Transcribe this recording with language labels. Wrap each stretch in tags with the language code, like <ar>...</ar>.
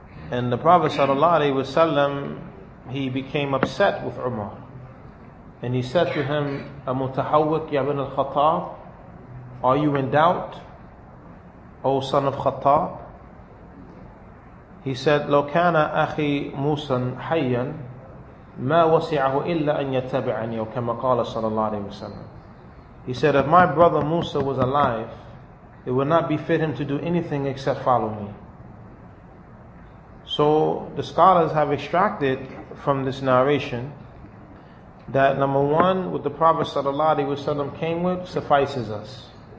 <en>And the Prophet sallallahu alaihi wasallam, he became upset with Umar. And he said to him,</en> <ar>"Amutahawwik ya ibn al-Khattab,</ar> <en>are you in doubt, O son of Khattab?" He said,</en> <ar>لو كان أخي موسى حيا ما وسعه إلا أن يتبعني كما قال صلى الله عليه وسلم.</ar> <en>He said, if my brother Musa was alive, it would not befit him to do anything except follow me. So the scholars have extracted from this narration that number one, what the Prophet sallallahu alaihi wasallam came with suffices us.</en>